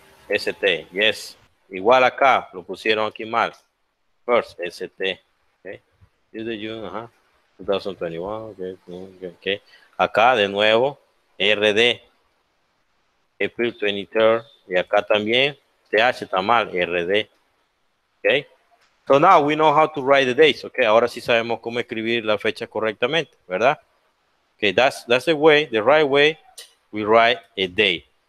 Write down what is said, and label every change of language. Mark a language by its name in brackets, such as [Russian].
[Spanish] ST, yes. Igual acá, lo pusieron aquí mal. [English] first, ST, okay. Is the June, 2021, okay, okay. [Spanish] Acá de nuevo, RD, April 23rd, y acá también, TH está mal, RD, okay. [English] So now we know how to write the dates, okay. [Spanish] Ahora sí sabemos cómo escribir la fecha correctamente, ¿verdad? [English] Okay, that's the way, the right way we write a day.